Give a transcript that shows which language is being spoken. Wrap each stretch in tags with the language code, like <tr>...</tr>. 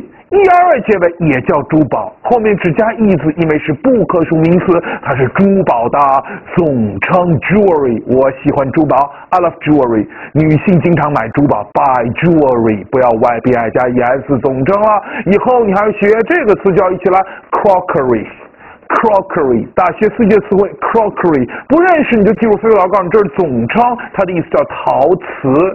<zh>ER 结尾也叫珠宝，后面只加 E 字，因为是不可数名词，它是珠宝的总称 jewelry。我喜欢珠宝 ，</zh> <en>I love jewelry。</en> <zh>女性经常买珠宝 ，</zh> <en>buy jewelry。</en> <zh>不要 YBI 加 ES 总称了，以后你还要学这个词，就要一起来 crockery。 Crockery， 大学四阶词汇 crockery， 不认识你就记住飞飞老师告诉你，这是总称，它的意思叫陶瓷。</zh>